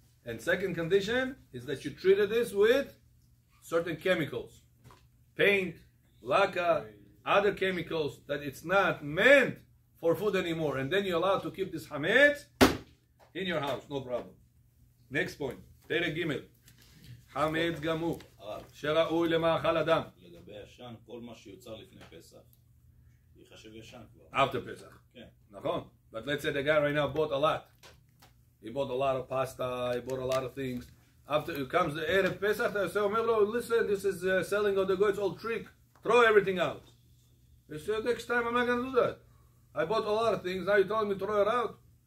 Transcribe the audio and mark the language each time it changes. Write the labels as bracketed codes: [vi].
[en] And second condition is that you treated this with certain chemicals, paint, lacquer, other chemicals, that it's not meant for food anymore. And then you're allowed to keep this hametz in your house, no problem. Next point, Tere Gimel. [he] חמץ גמור, שראוי למאכל אדם. לגבי ישן, כל מה שיוצר לפני פסח, יחשב ישן כבר. [en] After פסח. [he] כן. נכון. [en] But let's say the guy right now bought a lot. He bought a lot of pasta, he bought a lot of things. After it comes the ערב פסח, they say, [he] אומר לו, [en] listen, this is selling of the goods, old trick. Throw everything out. He said, next time I'm not going to do that. I bought a lot of things, now you're telling me to throw it out.